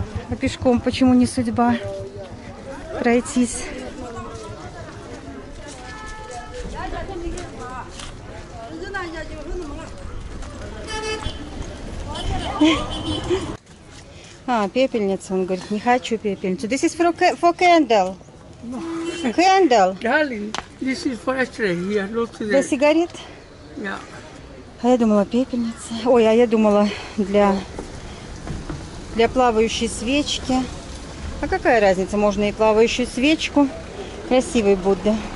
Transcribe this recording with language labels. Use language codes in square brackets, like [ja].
[ru] А пешком почему не судьба пройтись? А, пепельница, он говорит, не хочу пепельницу. [en] This is for candle. No. Candle. Darling, this is for ashtray here, not today. [ru] Для сигарет? [en] Yeah. [ru] А я думала, пепельница. Ой, а я думала, для плавающей свечки. А какая разница, можно и плавающую свечку. Красивый Будда.